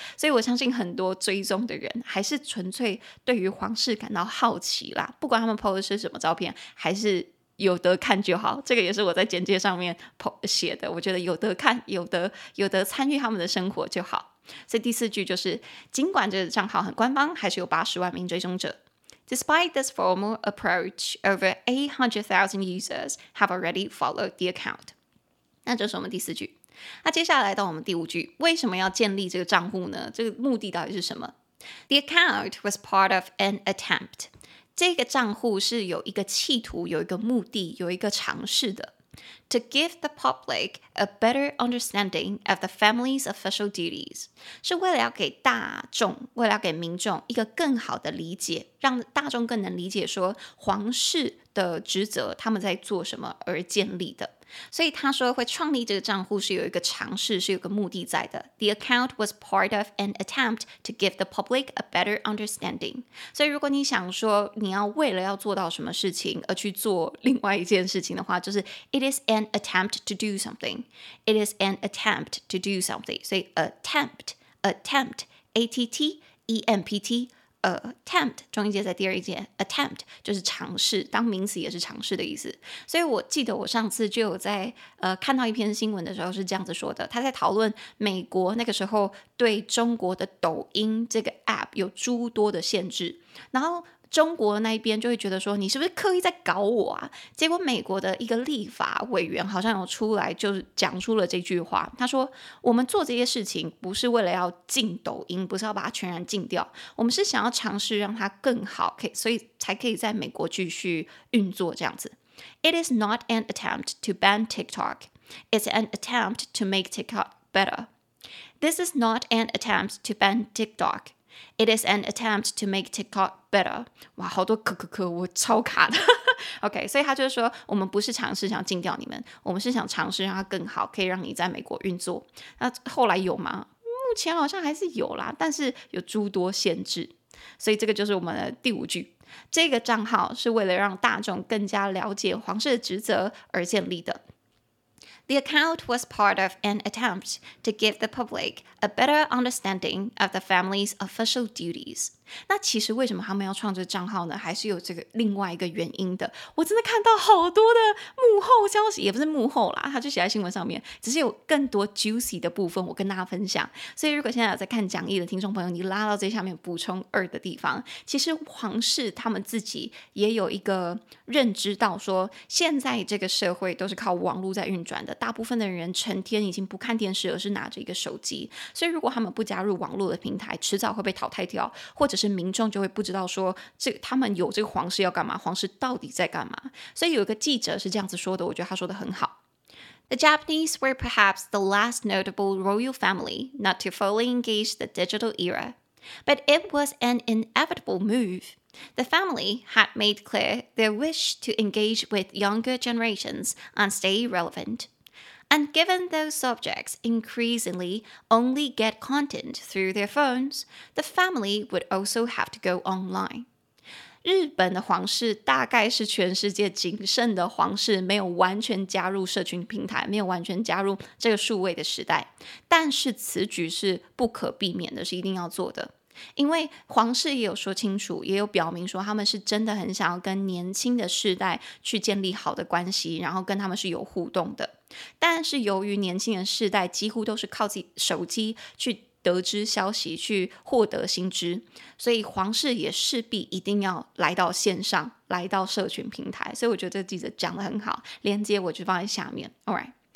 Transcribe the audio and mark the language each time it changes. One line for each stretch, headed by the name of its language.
Chinese: 所以我相信很多追踪的人还是纯粹对于皇室感到好奇啦，不管他们 po 的是什么照片，还是有得看就好，这个也是我在简介上面 po 写的，我觉得有得看，有得参与他们的生活就好。所以第四句就是，尽管这个账号很官方，还是有80万名追踪者。
English: Despite this formal approach, over 800,000 users have already followed the account.
Chinese: 那就是我们第四句。那接下来到我们第五句，为什么要建立这个账户呢？这个目的到底是什么？
English: The account was part of an attempt.
Chinese: 这个账户是有一个企图，有一个目的，有一个尝试的。
English: To give the public a better understanding of the family's official duties.
Chinese: 是为了要给大众，为了要给民众一个更好的理解，让大众更能理解说皇室的职责，他们在做什么而建立的。所以他说会创立这个账户是有一个尝试，是有个目的在的。
English: The account was part of an attempt to give the public a better understanding.
Chinese: 所以如果你想说你要为了要做到什么事情而去做另外一件事情的话，就是
English: It is an attempt to do something. It is an attempt to do something.
Chinese: 所以 attempt, A-T-T-E-M-P-T,attempt 中音节在第二节 attempt 就是尝试，当名词也是尝试的意思。所以我记得我上次就有在看到一篇新闻的时候是这样子说的，他在讨论美国那个时候对中国的抖音这个 app 有诸多的限制，然后中国那一边就会觉得说你是不是刻意在搞我啊，结果美国的一个立法委员好像有出来就讲出了这句话，他说我们做这些事情不是为了要禁抖音，不是要把它全然禁掉，我们是想要尝试让它更好，所以才可以在美国继续运作这样子。
English: It is not an attempt to ban TikTok. It's an attempt to make TikTok better. This is not an attempt to ban TikTok. It is an attempt to make TikTok better.
Chinese: 哇，好多可，我超卡的。 OK, 所以他就是说，我们不是尝试想禁掉你们，我们是想尝试让它更好，可以让你在美国运作。那后来有吗？目前好像还是有啦，但是有诸多限制。所以这个就是我们的第五句。这个账号是为了让大众更加了解皇室的职责而建立的。
English: The account was part of an attempt to give the public a better understanding of the family's official duties.
Chinese: 那其实为什么他们要创这个账号呢？还是有这个另外一个原因的。我真的看到好多的幕后消息，也不是幕后啦，他就写在新闻上面，只是有更多 juicy 的部分我跟大家分享。所以如果现在有在看讲义的听众朋友，你拉到这下面补充二的地方，其实皇室他们自己也有一个认知到说，现在这个社会都是靠网络在运转，大部分的人成天已经不看电视，而是拿着一个手机，所以如果他们不加入网络的平台，迟早会被淘汰掉，或者是民众就会不知道说这他们有这个皇室要干嘛，皇室到底在干嘛。所以有一个记者是这样子说的，我觉得他说的很好。
English: The Japanese were perhaps the last notable royal family not to fully engage the digital era, but it was an inevitable moveThe family had made clear their wish to engage with younger generations and stay relevant. And given those subjects increasingly only get content through their phones, the family would also have to go online.
Chinese: 日本的皇室大概是全世界仅剩的皇室没有完全加入社群平台，没有完全加入这个数位的时代，但是此举是不可避免的，是一定要做的。因为皇室也有说清楚，也有表明说他们是真的很想要跟年轻的世代去建立好的关系，然后跟他们是有互动的，但是由于年轻的世代几乎都是靠自己手机去得知消息，去获得新知，所以皇室也势必一定要来到线上，来到社群平台。所以我觉得这个记者讲得很好，连接我就放在下面。 Alright,